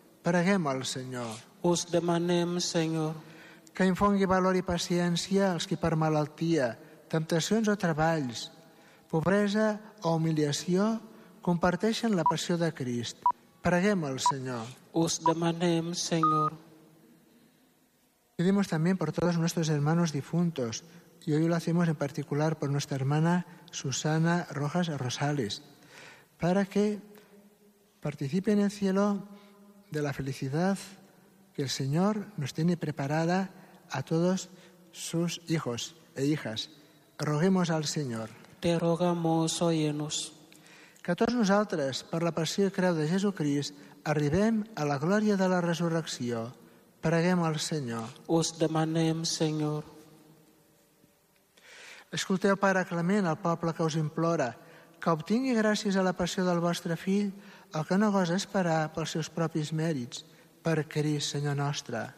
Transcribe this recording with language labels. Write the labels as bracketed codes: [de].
[ca] Preguem al Senyor. Us demanem, Senyor, que infongui valor i paciència als qui per malaltia, temptacions o treballs, pobresa o humiliació, comparteixen la passió de Crist. Preguem al Senyor. Us demanem, Senyor. [es] Pedimos también por todos nuestros hermanos difuntos, y hoy lo hacemos en particular por nuestra hermana Susana Rojas Rosales, para que participe en el cielo de la felicidad que el Señor nos tiene preparada a todos sus hijos e hijas. Roguemos al Señor. Te rogamos, óyenos. [ca] Que tots nosaltres, per la passió i creu de Jesucrist, arribem a la glòria de la resurrecció. Preguem al Senyor. Us demanem, Senyor. Escolteu, Pare Clement, el poble que us implora, que obtingui gràcies a la passió del vostre fill el que no gosa esperar pels seus propis mèrits, per Crist, Senyor nostre.